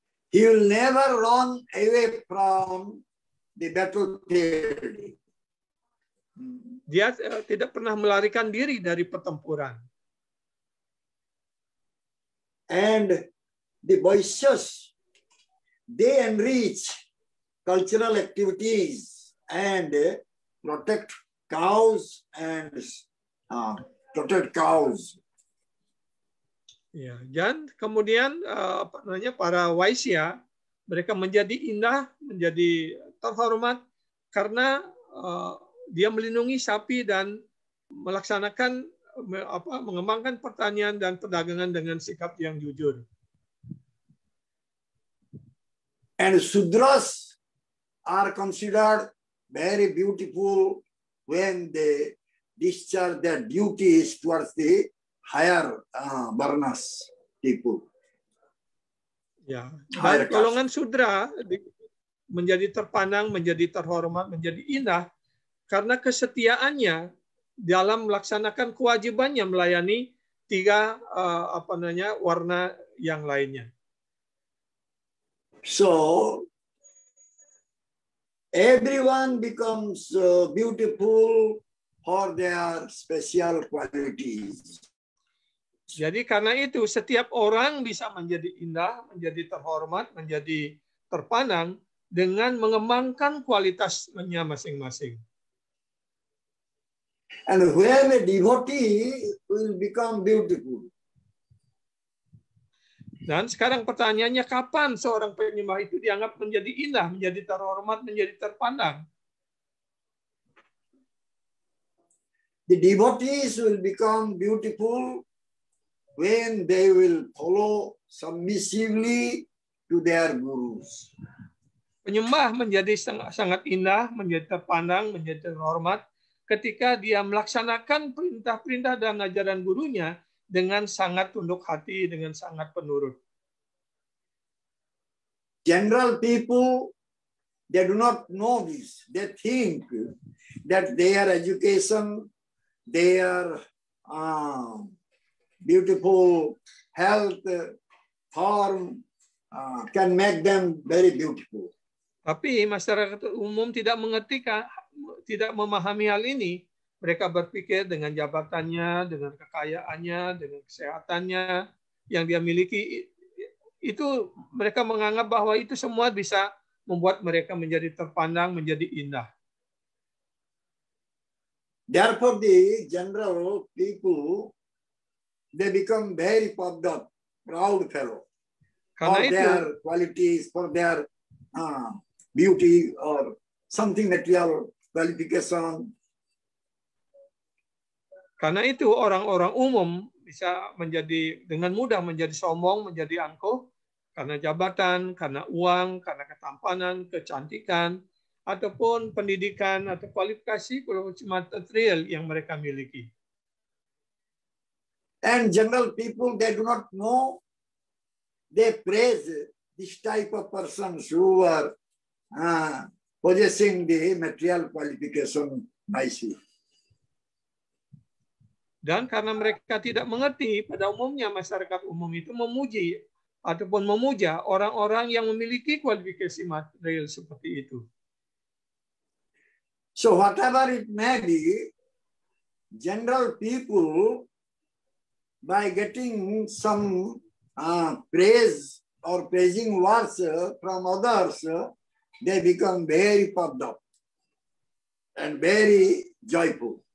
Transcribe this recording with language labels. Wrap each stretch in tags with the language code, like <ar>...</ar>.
<en>He will never run away from the battlefield.</en> <id>Dia tidak pernah melarikan diri dari pertempuran.</id> <en>And the Vaishyas, they enrich cultural activities and protect cows and protect cows.</en> <id>Ya, dan kemudian para Vaishya mereka menjadi indah, menjadi terhormat karena dia melindungi sapi dan melaksanakan mengembangkan pertanian dan perdagangan dengan sikap yang jujur.</id> <en>And Sudras are considered very beautiful when they discharge their duties towards the higher varnas people.</en> <id>Ya, golongan Sudra menjadi terpandang, menjadi terhormat, menjadi indah karena kesetiaannya dalam melaksanakan kewajibannya melayani tiga warna yang lainnya.</id> <en>So everyone becomes beautiful for their special qualities.</en> <id>Jadi karena itu setiap orang bisa menjadi indah, menjadi terhormat, menjadi terpandang dengan mengembangkan kualitasnya masing-masing.</id> <en>And when a devotee will become beautiful.</en> <id>Dan sekarang pertanyaannya kapan seorang penyembah itu dianggap menjadi indah, menjadi terhormat, menjadi terpandang?</id> <en>The devotees will become beautiful when they will follow submissively to their gurus.</en> <id>Penyembah menjadi sangat indah, menjadi terpandang, menjadi terhormat ketika dia melaksanakan perintah-perintah dan ajaran gurunya dengan sangat tunduk hati, dengan sangat penurut.</id> <en>General people, they do not know this. They think that their education, their beautiful health, form can make them very beautiful.</en> <id>Tapi masyarakat umum tidak mengerti, tidak memahami hal ini. Mereka berpikir dengan jabatannya, dengan kekayaannya, dengan kesehatannya yang dia miliki, itu mereka menganggap bahwa itu semua bisa membuat mereka menjadi terpandang, menjadi indah.</id> <en>Therefore, the general people, they become very puffed up, proud fellow.</en> <id>Karena itu,</id> <en>their qualities, for their beauty or something material qualification.</en> <id>Karena itu orang-orang umum bisa menjadi dengan mudah menjadi sombong, menjadi angkuh karena jabatan, karena uang, karena ketampanan, kecantikan ataupun pendidikan atau kualifikasi material yang mereka miliki.</id> <en>And general people, they do not know, they praise this type of persons who are possessing the material qualification nicely.</en> <id>Dan karena mereka tidak mengerti, pada umumnya masyarakat umum itu memuji ataupun memuja orang-orang yang memiliki kualifikasi material seperti itu.</id> <en>So whatever it may be, general people by getting some praise or praising words from others, they become very puffed up and very joyful.</en>